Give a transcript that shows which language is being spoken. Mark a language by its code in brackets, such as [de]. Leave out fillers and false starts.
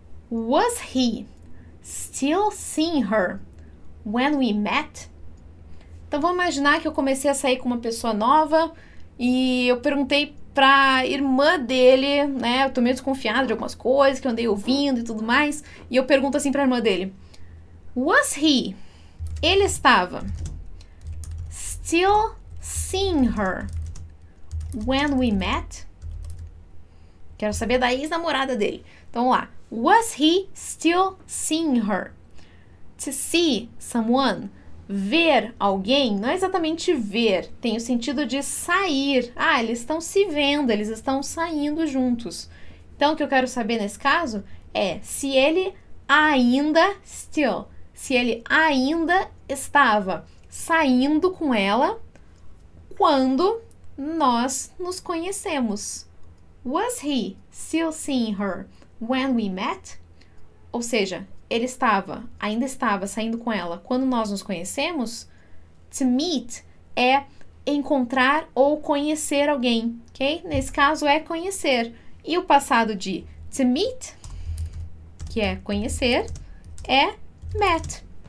[en] Was he still seeing her when we met? [pt] Então, vamos imaginar que eu comecei a sair com uma pessoa nova, e eu perguntei pra irmã dele, né? Eu tô meio desconfiada de algumas coisas que eu andei ouvindo e tudo mais. E eu pergunto assim pra irmã dele. [en] Was he? [pt] Ele estava [en] still seeing her when we met? [pt] Quero saber da ex-namorada dele. Então, vamos lá. [en] Was he still seeing her? To see someone. [pt] Ver alguém, não é exatamente ver, tem o sentido de sair. Ah, eles estão se vendo, eles estão saindo juntos. Então, o que eu quero saber nesse caso é se ele ainda, still, se ele ainda estava saindo com ela quando nós nos conhecemos. [en] Was he still seeing her when we met? [pt] Ou seja, ele estava, ainda estava saindo com ela quando nós nos conhecemos. [en] To meet [pt] é encontrar ou conhecer alguém, ok? Nesse caso é conhecer. E o passado de [en] to meet, [pt] que é conhecer, é met.